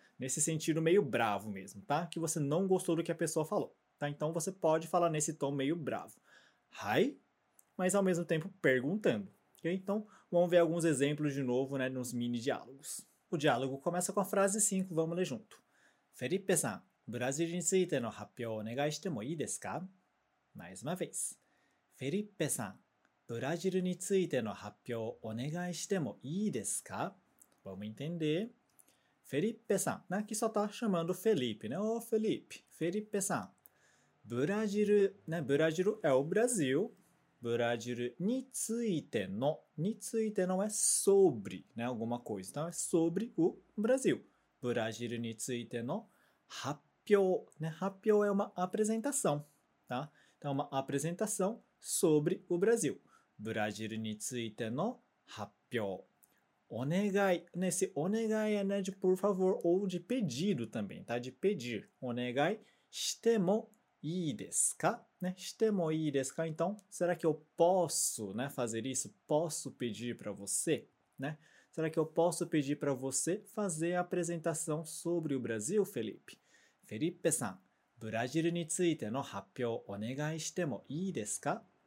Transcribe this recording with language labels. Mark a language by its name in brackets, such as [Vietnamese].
[Portuguese] Nesse sentido meio bravo mesmo, tá? Que você não gostou do que a pessoa falou, tá? Então você pode falar nesse tom meio bravo. Hi, mas ao mesmo tempo perguntando, ok? Então vamos ver alguns exemplos de novo, né, nos mini diálogos. O diálogo começa com a frase 5, vamos ler junto. [Japanese] Felipe-san, Brasil についての発表をお願いしてもいいですか？ [Portuguese] Mais uma vez. [Japanese] Felipe-san, ブラジルについての発表をお願いしてもいいですか？ [Portuguese] Vamos entender. Felipe-san, né? Aqui só está chamando Felipe, né? Ô, Felipe, Felipe-san. Brasil, né? Brasil é o Brasil. Brasil [Japanese] について [Portuguese] não é sobre, né? Alguma coisa. Então, é sobre o Brasil. [Japanese] Brasil についての発表, né? [Portuguese] 発表é uma apresentação, tá? Então, é uma apresentação sobre o Brasil. [Japanese] Brasil についての発表。 [Portuguese] お願い、nesse お願いé, né, de por favor ou de pedido também, tá? De pedir. [Japanese] お願いしてもいいですか？ね、してもいいですか？ [Portuguese] Então, será que eu posso, né, fazer isso? Posso pedir para você, né? Será que eu posso pedir para você fazer a apresentação sobre o Brasil, Felipe? [Japanese] Felipe-san, Brasil についての発表お願いしてもいいですか？